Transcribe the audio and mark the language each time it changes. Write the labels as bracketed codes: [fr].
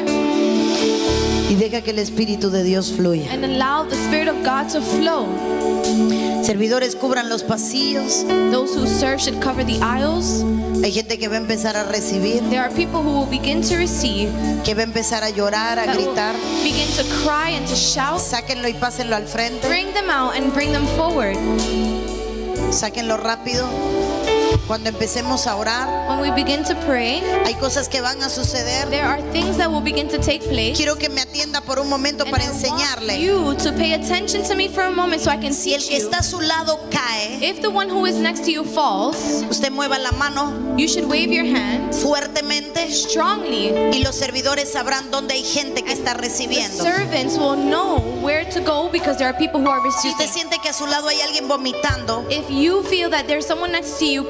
[es] Y deja que el Espíritu de Dios fluya. [en] And allow the Spirit of God to flow. [es] Servidores, cubran los pasillos. [en] Those who serve should cover the aisles. [es] Hay gente que va a empezar a recibir. [en] There are people who will begin to receive. [es] Que va a empezar a llorar, a gritar. [en] Begin to cry and to shout. [es] Sáquenlo y pásenlo al frente. [en] Bring them out and bring them forward. [es] Sáquenlo rápido. Cuando empecemos a orar, [en] when we begin to pray, [es] hay cosas que van a suceder. [en] There are things that will begin to take place. [es] Quiero que me atienda por un momento [en] and [es] para [en] I [es] enseñarle. [en] Want you to pay attention to me for a moment so I can [es] si [en] teach [es] el que [en] you. [es] Está a su lado cae, [en] if the one who is next to you falls, [es] usted mueva la mano, [en] you should wave your hand [es] fuertemente, [en] strongly, [es] y los servidores sabrán dónde hay gente que está recibiendo. [en] The servants will know where to go because there are people who are receiving. [es] Si usted siente que a su lado hay alguien vomitando, [en] if you feel that there's someone next to you,